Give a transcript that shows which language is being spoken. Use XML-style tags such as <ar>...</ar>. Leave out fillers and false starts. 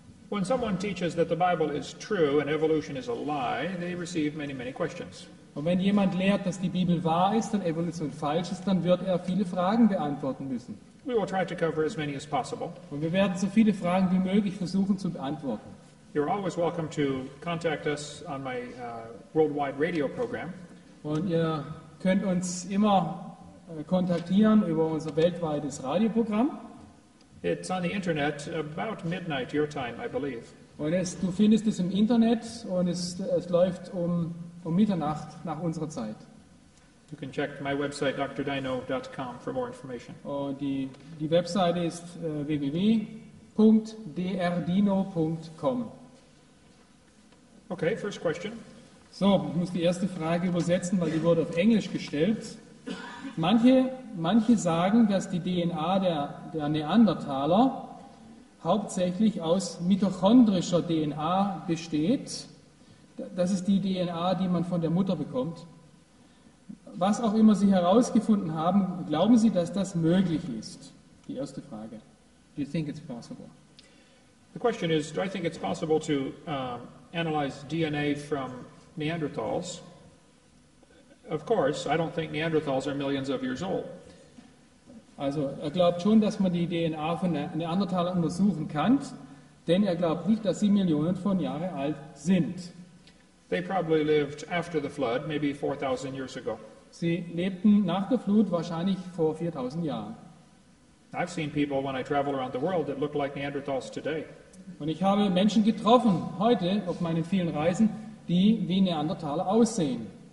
<en>When someone teaches that the Bible is true and evolution is a lie, they receive many, many questions.</en> <de>Und wenn jemand lehrt, dass die Bibel wahr ist und Evolution falsch ist, dann wird er viele Fragen beantworten müssen.</de> <en>We will try to cover as many as possible.</en> <de>Und wir werden so viele Fragen wie möglich versuchen zu beantworten.</de> <en>You're always welcome to contact us on my worldwide radio program.</en> <de>Und ihr könnt uns immer kontaktieren über unser weltweites Radioprogramm.</de> <en>It's on the internet about midnight your time, I believe.</en> <de>Und du findest es im Internet und es läuft um Mitternacht nach unserer Zeit.</de> <en>You can check my website drdino.com for more information.</en> <de>Und die Website ist www.drdino.com.</de> <en>Okay, first question.</en> <de>So, ich muss die erste Frage übersetzen, weil die wurde auf Englisch gestellt. Manche sagen, dass die DNA der Neandertaler hauptsächlich aus mitochondrischer DNA besteht. Das ist die DNA, die man von der Mutter bekommt. Was auch immer Sie herausgefunden haben, glauben Sie, dass das möglich ist? Die erste Frage.</de> <en>Do you think it's possible? The question is, do I think it's possible to analyze DNA from Neanderthals? Of course, I don't think Neanderthals are millions of years old.</en> <de>Also, glaubt schon, dass man die DNA von Neandertalern untersuchen kann, denn glaubt nicht, dass sie Millionen von Jahren alt sind.</de> <en>They probably lived after the flood, maybe 4,000 years ago.</en> <de>Sie lebten nach der Flut wahrscheinlich vor 4,000 Jahren.</de> <en>I've seen people when I travel around the world that look like Neanderthals today.</en> <de>Und ich habe Menschen getroffen heute auf meinen vielen Reisen, die wie Neandertaler aussehen.</de>